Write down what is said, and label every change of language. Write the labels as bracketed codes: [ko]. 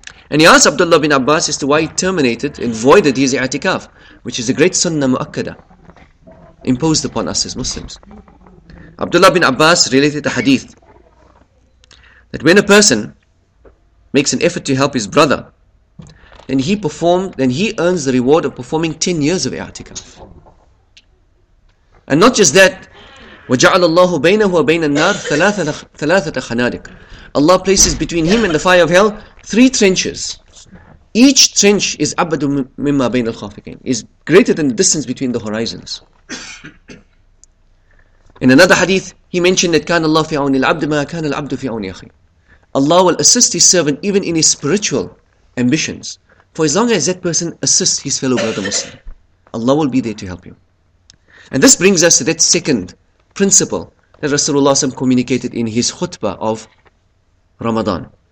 [en] And he asked Abdullah bin Abbas as to why he terminated and voided his i'tikaf, which is a great sunnah mu'akkada imposed upon us as Muslims. Abdullah bin Abbas related the hadith that when a person makes an effort to help his brother, then he earns the reward of performing 10 years of i'tikaf. And not just that, [ar] وَجَعَلَ اللَّهُ بَيْنَهُ وَبَيْنَ النَّارِ ثَلَاثَةَ خَنَادِقٍ. [en] Allah places between him and the fire of hell three trenches. Each trench is [ar] أَبَدُ مِمَّا بَيْنَ الْخَافِقِينَ, [en] is greater than the distance between the horizons. In another hadith, he mentioned that [ar] كَانَ اللَّهُ فِي عَوْنِ الْعَبْدِ مَا كَانَ الْعَبْدُ فِي عَوْنِ أَخِي. [en] Allah will assist his servant even in his spiritual ambitions, for as long as that person assists his fellow brother Muslim, Allah will be there to help you. And this brings us to that second principle that Rasulullah communicated in his khutbah of Ramadan.